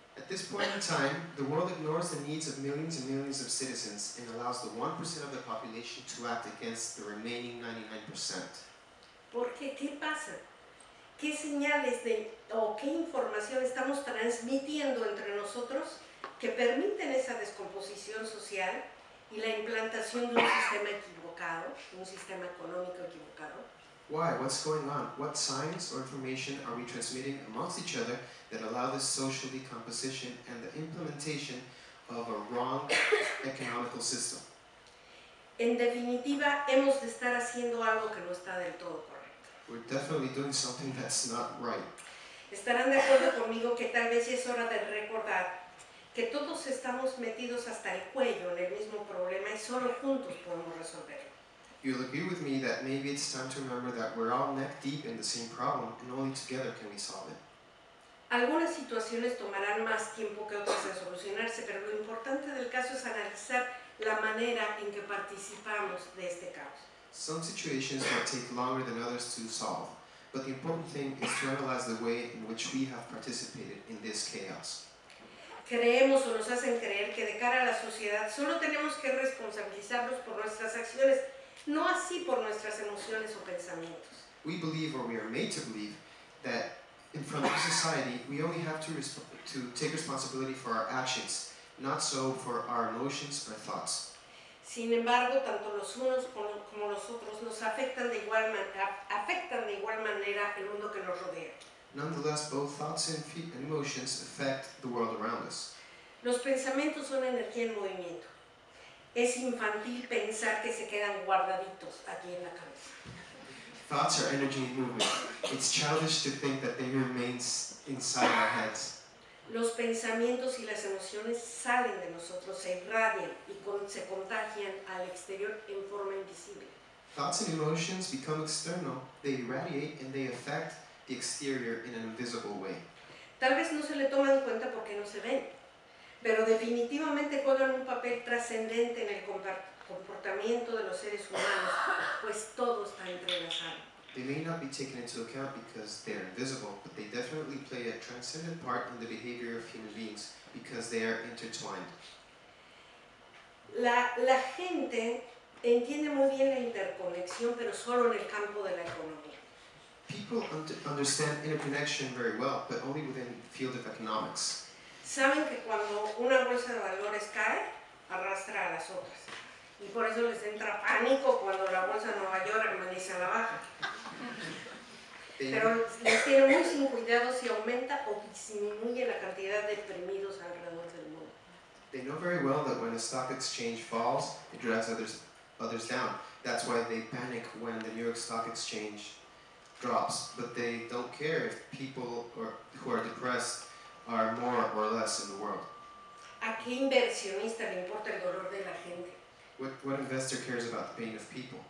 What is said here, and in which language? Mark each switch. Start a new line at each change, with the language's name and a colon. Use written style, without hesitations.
English: At this point in time, the world ignores the needs of millions and millions of citizens and allows the 1% of the population to act against the remaining 99%.
Spanish: ¿Por qué? ¿Qué pasa? ¿Qué señales de, o qué información estamos transmitiendo entre nosotros que permiten esa descomposición social y la implantación de un sistema equivocado, un sistema económico equivocado?
English: Why? What's going on? What signs or information are we transmitting amongst each other that allow this social decomposition and the implementation of a wrong economical system?
Spanish: En definitiva, hemos de estar haciendo algo que no está del todo correcto.
English: We're definitely doing something that's not right.
Spanish: Estarán de acuerdo conmigo que tal vez es hora de recordar que todos estamos metidos hasta el cuello en el mismo problema y solo juntos podemos resolverlo.
English: You'll agree with me that maybe it's time to remember that we're all neck deep in the same problem and only together can we solve it.
Spanish: Algunas situaciones tomarán más tiempo que otras en solucionarse, pero lo importante del caso es analizar la manera en que participamos de este caos.
English: Some situations might take longer than others to solve, but the important thing is to analyze the way in which we have participated in this chaos.
Spanish: Creemos o nos hacen creer que de cara a la sociedad solo tenemos que responsabilizarnos por nuestras acciones. No así por nuestras emociones o pensamientos.
English: We believe, or we are made to believe, that in front of society, we only have to take responsibility for our actions, not so for our emotions or thoughts.
Spanish: Sin embargo, tanto los unos como los otros nos afectan de igual manera el mundo que nos rodea.
English: Nonetheless, both thoughts and emotions affect the world around us.
Spanish: Los pensamientos son energía en movimiento. Es infantil pensar que se quedan guardaditos aquí en la cabeza.
English: Thoughts are energy in movement. It's childish to think that they remain inside our heads.
Spanish: Los pensamientos y las emociones salen de nosotros, se irradian y se contagian al exterior en forma invisible.
English: Thoughts and emotions become external. They irradiate and they affect the exterior in an invisible way.
Spanish: Tal vez no se le toman cuenta porque no se ven. Pero definitivamente juegan un papel trascendente en el comportamiento de los seres humanos, pues todo está entrelazado.
English: They may not be taken into account because they are invisible, but they definitely play a transcendent part in the behavior of human beings because they are intertwined.
Spanish: La gente entiende muy bien la interconexión, pero solo en el campo de la economía.
English: People understand interconnection very well, but only within the field of economics.
Spanish: Saben que cuando una bolsa de valores cae, arrastra a las otras. Y por eso les entra pánico cuando la bolsa de Nueva York permanece a la baja. Pero les tiene muy sin cuidado si aumenta o disminuye la cantidad de deprimidos alrededor del mundo.
English: They know very well that when a stock exchange falls, it drags others down. That's why they panic when the New York Stock Exchange drops. But they don't care if people who are depressed are more or less in the world.
Spanish: ¿A qué inversionista le importa el dolor de la gente?
English: What investor cares about the pain of people?